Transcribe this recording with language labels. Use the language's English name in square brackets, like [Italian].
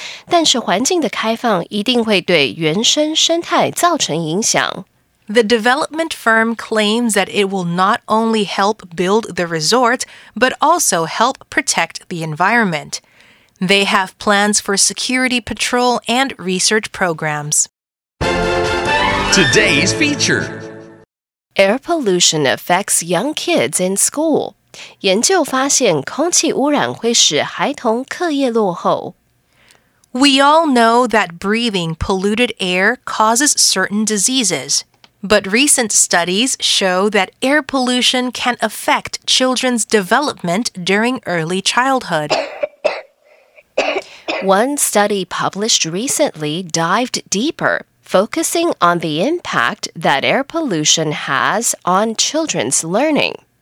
[Chinese] 但是环境的开放一定会对原生生态造成影响。 [English] The development firm claims that it will not only help build the resort, but also help protect the environment. They have plans for security patrol and research programs. Today's feature. Air pollution affects young kids in school. [Chinese] 研究发现空气污染会使孩童课业落后。 [English] We all know that breathing polluted air causes certain diseases. But recent studies show that air pollution can affect children's development during early childhood. One study published recently dived deeper, focusing on the impact that air pollution has on children's learning.